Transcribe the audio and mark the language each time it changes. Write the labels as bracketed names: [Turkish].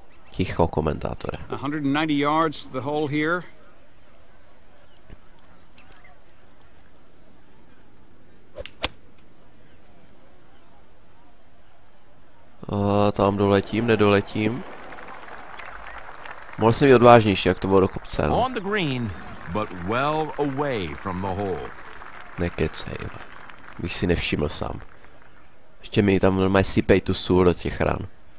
[Czech] Ticho, komentátore. [English] 190 yards the hole here. [Czech] Tam doletím, nedoletím. Mohl jsem být odvážnější, jak to bylo do kopce, no. [English] On the green, but well away from the hole. [Czech] Nekecej, bych si nevšiml sám. Ještě mi tam normálně sypej tu sůl do těch ran.